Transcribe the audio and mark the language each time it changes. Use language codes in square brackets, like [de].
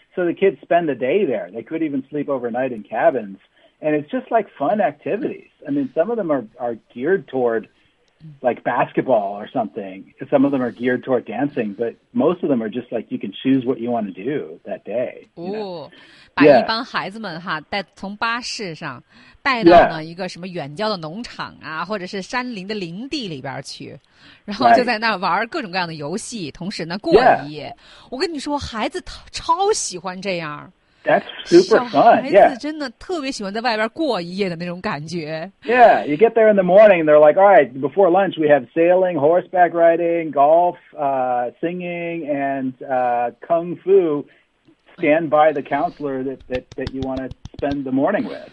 [en] So the kids spend the day there. They could even sleep overnight in cabins. And it's just like fun activities. I mean, some of them are geared toward... like basketball or something. Some of them are geared toward dancing, but most of them are just like you can choose what you want to do that day. [zh] Oh, 把一帮孩子们哈带从巴士上带到呢一个什么远郊的农场啊，或者是山林的林地里边去，然后就在那玩各种各样的游戏，同时呢过一夜。我跟你说，孩子超喜欢这样。 [en] That's super fun. Yeah. [zh] 孩子真的特别喜欢在外边过一夜的那种感觉。 [en] Yeah, you get there in the morning, they're like, all right, before lunch, we have sailing, horseback riding, golf, singing, and kung fu. Stand by the counselor that you want to spend the morning with.